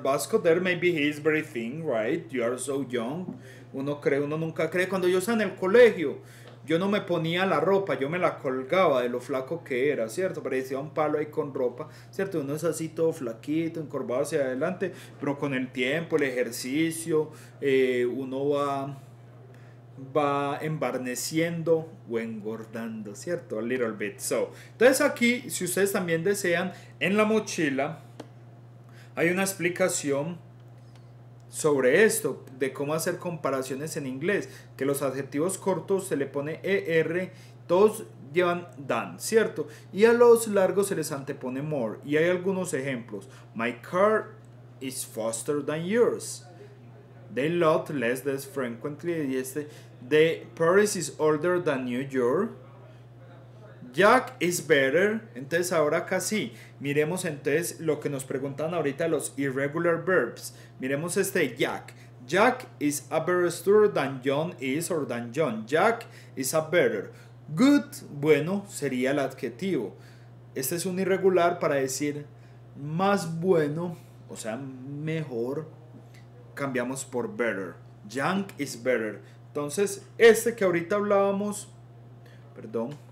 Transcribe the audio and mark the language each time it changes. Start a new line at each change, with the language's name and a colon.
English: Vasco, there maybe he is very thin, right? You are so young.
Spanish: Uno nunca cree, cuando yo estaba en el colegio, yo no me ponía la ropa, yo me la colgaba de lo flaco que era, ¿cierto? Parecía un palo ahí con ropa, ¿cierto? Uno es así todo flaquito, encorvado hacia adelante, pero con el tiempo, el ejercicio, uno va embarneciendo o engordando, ¿cierto?
English: A little bit.
Spanish: So, entonces aquí, si ustedes también desean, en la mochila hay una explicación sobre esto, de cómo hacer comparaciones en inglés, que los adjetivos cortos se le pone er, todos llevan than, ¿cierto? Y a los largos se les antepone more. Y hay algunos ejemplos.
English: My car is faster than yours. They lot less than frequently.
Spanish: Y este,
English: the Paris is older than New York. Jack is better.
Spanish: Entonces ahora casi miremos entonces lo que nos preguntan ahorita los irregular verbs. Miremos este Jack.
English: Jack is a better student than John is or than John. Jack is a better. Good,
Spanish: bueno, sería el adjetivo. Este es un irregular para decir más bueno, o sea, mejor. Cambiamos por better.
English: Jack is better.
Spanish: Entonces, este que ahorita hablábamos, perdón.